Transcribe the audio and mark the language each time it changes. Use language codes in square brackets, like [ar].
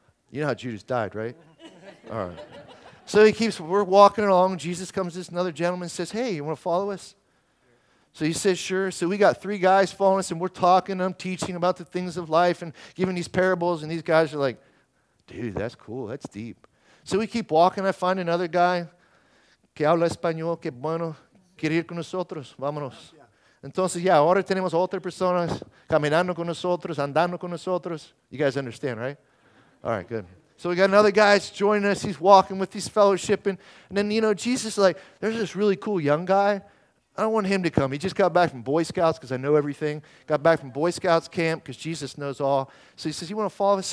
[en] You know how Judas died, right? All right. So he keeps, we're walking along. Jesus comes, this another gentleman says, "Hey, you want to follow us?" So he says, "Sure." So we got three guys following us, and we're talking, and I'm teaching about the things of life and giving these parables, and these guys are like, "Dude, that's cool. That's deep." So we keep walking. I find another guy. [es] Que habla español, que bueno. Quiere ir con nosotros. Vámonos. Entonces, yeah, ahora tenemos otras personas caminando con nosotros, andando con nosotros. [en] You guys understand, right? All right, good. So we got another guy that's joining us. He's walking with these fellowshipping. And then, you know, Jesus is like, "There's this really cool young guy. I don't want him to come. He just got back from Boy Scouts because I know everything. Got back from Boy Scouts camp because Jesus knows all." So he says, "You want to follow us?"